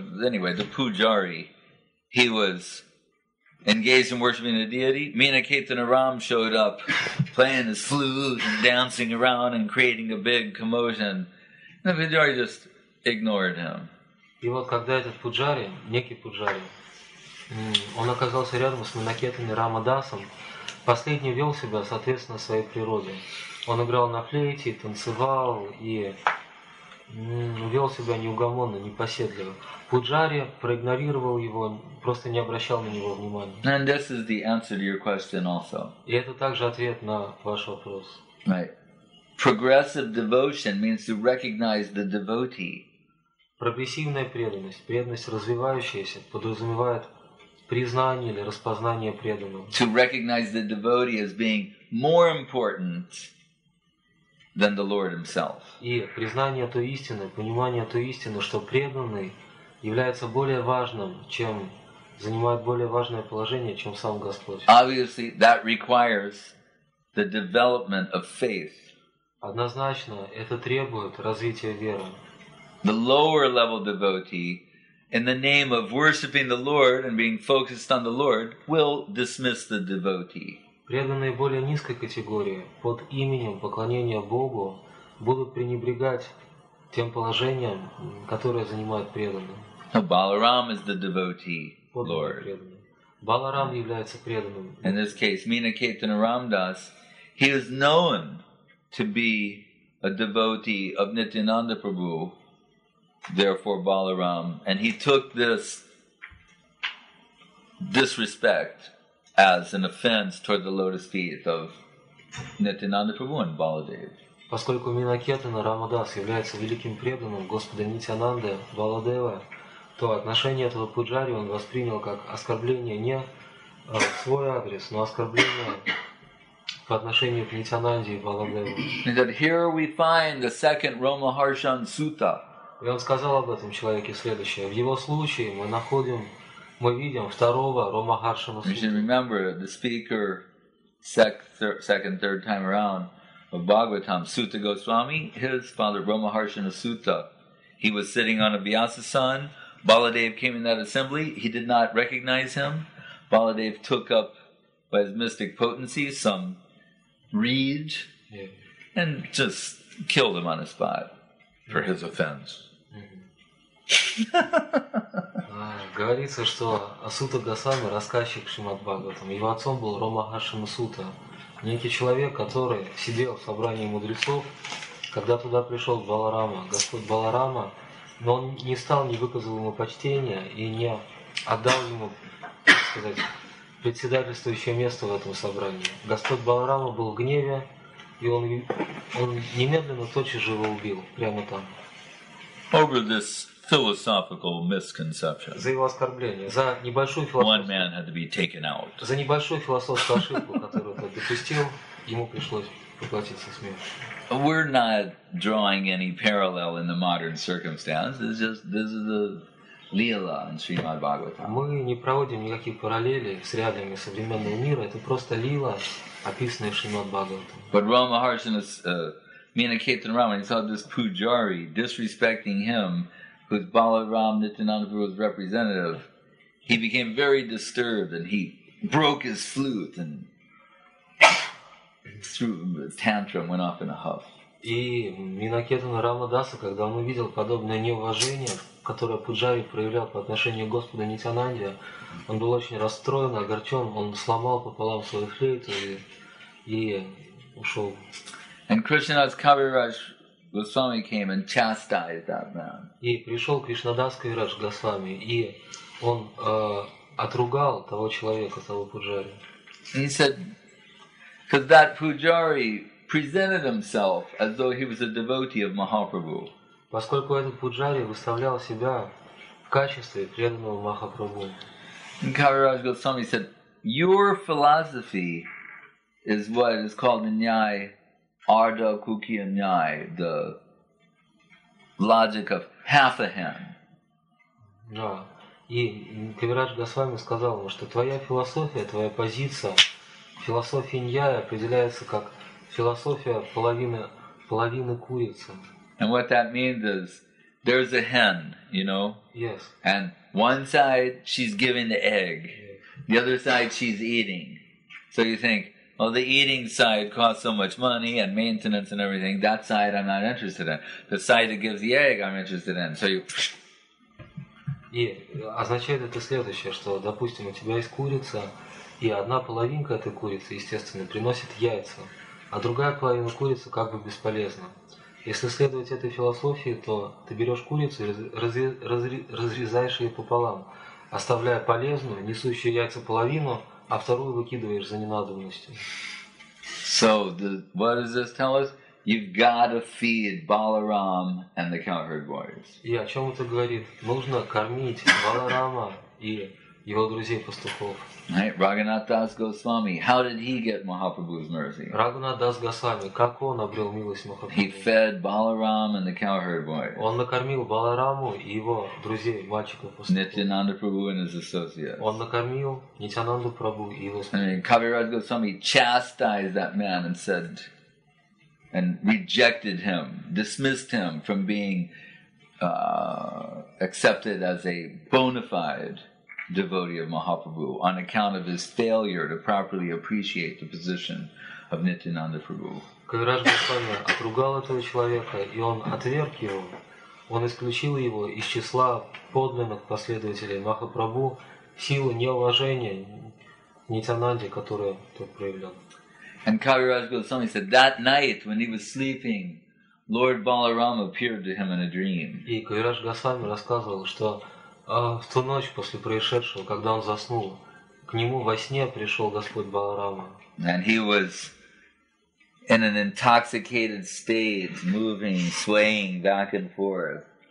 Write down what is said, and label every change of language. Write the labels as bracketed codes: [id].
[en] Anyway, the Pujari, he was engaged in worshiping the deity. Minaketana Ram showed up, playing his flute and dancing around and creating a big commotion. And the Pujari just ignored him. [ru] И вот когда этот Пуджари, некий Пуджари, он оказался рядом с Минакетаной Рамадасом, последний вел себя соответственно своей природе. Он играл на флейте, танцевал и вел себя неугомонно, непоседливо. Пуджари проигнорировал его, просто не обращал на него внимания. [en] And this is the answer to your question also. [ru] И это также ответ на ваш вопрос. [en] Right. Progressive devotion means to recognize the devotee. [ru] Прогрессивная преданность, преданность развивающаяся, подразумевает признание или распознание преданного. [en] To recognize the devotee as being more important than the Lord himself. [ru] И признание той истины, понимание той истины, что преданный является более важным, чем занимает более важное положение, чем сам Господь. [en] Obviously, that requires the development of faith. [ru] Однозначно, это требует развития веры. [en] The lower level devotee, in the name of worshiping the Lord and being focused on the Lord, will dismiss the devotee. [ru] Преданные более низкой категории под именем поклонения Богу будут пренебрегать тем положением, которое занимает преданный. [en] So Balaram is the devotee, Lord. [ru] Баларам является преданным. [en] In this case, Minaketana Ramdas, he is known to be a devotee of Nityananda Prabhu, therefore Balaram, and he took this disrespect as an offense toward the lotus feet of Nityananda Prabhu and Baladev. [ru] Поскольку Минакетана Рамадас является великим преданным Господа Нитянанды Баладева, то отношение этого пуджари он воспринял как оскорбление не в свой адрес, но оскорбление по отношению к Нитянанде и Баладеву. [en] He said, "Here we find the second Roma Harshan Sutta." [ru] И он сказал об этом человеке следующее: в его случае мы находим мы видим второго Рома Харшана Сутту. [en] You should remember the speaker second, third time around of Bhagavatam, Sutta Goswami, his father Roma Harshana Sutta. He was sitting on a Vyasasan. Baladev came in that assembly. He did not recognize him. Baladev took up by his mystic potency some reed and just killed him on the spot for his offense. [ru] Говорится, что Асута Гасами, рассказчик Шримад Бхагаватам, его отцом был Рома Харшана Сутта, некий человек, который сидел в собрании мудрецов, когда туда пришел Баларама, Господь Баларама, но он не стал, не выказал ему почтения и не отдал ему, так сказать, председательствующее место в этом собрании. Господь Баларама был в гневе, и он немедленно тотчас же его убил, прямо там. [en] Over this philosophical misconception. [ru] За его оскорбление, за небольшую [en] философскую. One man had to be taken out. [ru] За небольшую философскую ошибку, которую он допустил, ему пришлось поплатиться смертью. [en] We're not drawing any parallel in the modern circumstances. It's just this is a [ru] Лила в Шримад Бхагаватам. Мы не проводим никаких параллелей с реалиями современного мира. Это просто лила, описанная в Шримад Бхагаватам. [en] But Rama Maharshi, Minaketan Rama, he saw this pujari disrespecting him, who's Balaram Nityananda Prabhu's representative. He became very disturbed and he broke his flute and threw a tantrum, went off in a huff. [ru] И Минакетана Рамадаса, когда он увидел подобное неуважение, которое Пуджари проявлял по отношению к Господу Нитянанде, он был очень расстроен, огорчен, он сломал пополам свою флейту и ушел. [en] And Krishnadas Kaviraj Goswami came and chastised that man. [ru] И пришел Кришнадас Кавирадж Госвами, и он отругал того человека, того Пуджари. [en] He said, because that Pujari presented himself as though he was a devotee of Mahaprabhu. [ru] Поскольку этот пуджари выставлял себя в качестве преданного Махапрабху. [en] Kaviraj Goswami said, "Your philosophy is what is called the Nyaya Ardha Kukya Nyaya, the logic of half a hand." [ru] Да. И Kaviraj Goswami сказал ему, что твоя философия, твоя позиция, философия Ньяя определяется как философия половины курицы. [en] And what that means is, there's a hen, you know? Yes. And one side, she's giving the egg. Yes. The other side, she's eating. So you think, well, the eating side costs so much money and maintenance and everything, that side I'm not interested in. The side that gives the egg, I'm interested in. So you... [ru] И означает это следующее, что, допустим, у тебя есть курица, и одна половинка этой курицы, естественно, приносит яйца, а другая половина курицы как бы бесполезна. Если следовать этой философии, то ты берешь курицу и разрезаешь ее пополам, оставляя полезную, несущую яйца половину, а вторую выкидываешь за ненадобностью. [en] So, what does this tell us? You've got to feed Balaram and the cowherd boys. [ru] И о чем это говорит? Нужно кормить Баларама и его друзей-пастухов. [en] Right. Raghunath Das Goswami, how did he get Mahaprabhu's mercy? [ru] Raghunath Das Goswami, как он обрел милость Махапрабху? [en] He fed Balaram and the cowherd boys. [ru] Он накормил Балараму и его друзей, мальчиков-пастухов. [en] Nityananda Prabhu and his associates. [ru] Он накормил Нитянанду Прабху и его спутников. [en] Kaviraj Goswami chastised that man and said, and rejected him, dismissed him from being accepted as a bona fide devotee of Mahaprabhu on account of his failure to properly appreciate the position of Nityananda Prabhu. [ru] Kaviraj Goswami отругал этого человека, и он отверг его. Он исключил его из числа подлинных последователей Махапрабху в силу неуважения Нитянанде, которое тот проявлял. [en] And Kaviraj Goswami said that night when he was sleeping, Lord Balaram appeared to him in a dream. [ru] И Kaviraj Goswami рассказывал, что в ту ночь после происшедшего, когда он заснул, к нему во сне пришел Господь Баларама. [en] And he was in an intoxicated state, moving, swaying back and forth.